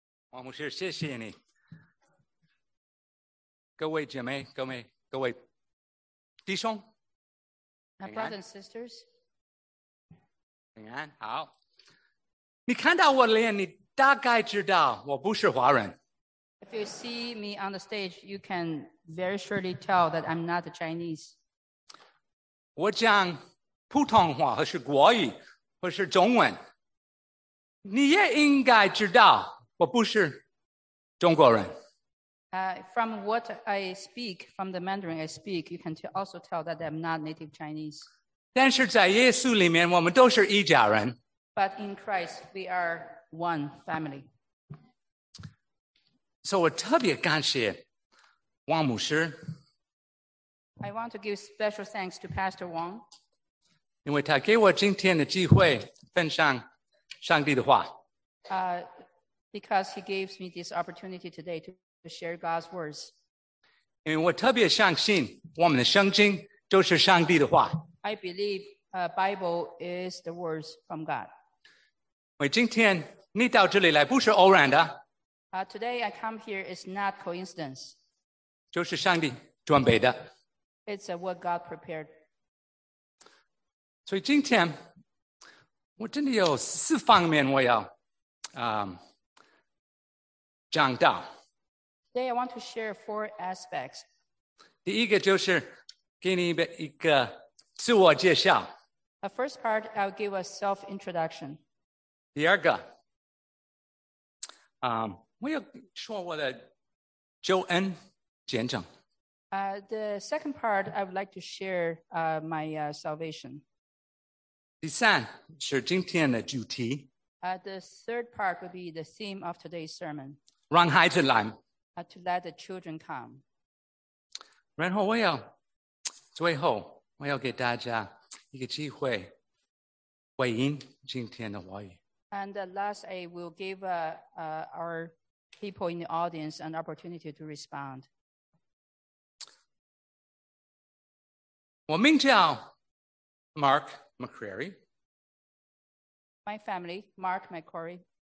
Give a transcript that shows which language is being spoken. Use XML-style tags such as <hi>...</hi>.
<zh>王牧师，谢谢你。各位姐妹，各位弟兄</zh> <en>，My brothers and sisters，</en> <zh>平安好。你看到我脸，你大概知道我不是华人。</zh> <en>If you see me on the stage, you can very surely tell that I'm not Chinese.</en> <zh>我讲普通话，或是国语，或是中文，你也应该知道我不是中国人。</zh> <en>From what I speak, from the Mandarin I speak, you can also tell that I'm not native Chinese.</en> <zh>但是在耶稣里面，我们都是一家人。</zh> <en>But in Christ, we are one family.</en> <zh>So 我特别感谢王牧师。</zh> <en>I want to give special thanks to Pastor Wang.</en> <zh>因为他给我今天的机会分享上帝的话。</zh> <en>Because he gave me this opportunity today to share God's words.</en> <zh>因为我特别相信我们的圣经都是上帝的话。</zh> <en>I believe the Bible is the words from God.</en> <zh>因为今天你到这里来不是偶然的。</zh> <en>Today I come here is not coincidence.</en> <zh>就是上帝准备的。</zh> <en>It's what God prepared.</en> <zh>所以今天我真的有四方面我要讲到。</zh> <en>Today I want to share four aspects.</en> <zh>第一个就是给你一个自我介绍。</zh> <en>The first part, I'll give a self-introduction.</en> <zh>第二个，我要说我的救恩见证。</zh> <en>The second part, I would like to share my salvation.</en> <zh>第三是今天的主题。</zh> <en>The third part will be the theme of today's sermon.</en> <zh>让孩子来。</zh> <en>To let the children come.</en> <zh>然后我要最后我要给大家一个机会回应今天的话语。</zh> <en>And last, I will give our people in the audience an opportunity to respond.</en> <zh>我名叫 Mark McCrary.</zh> <en>My family, Mark McCrary.</en>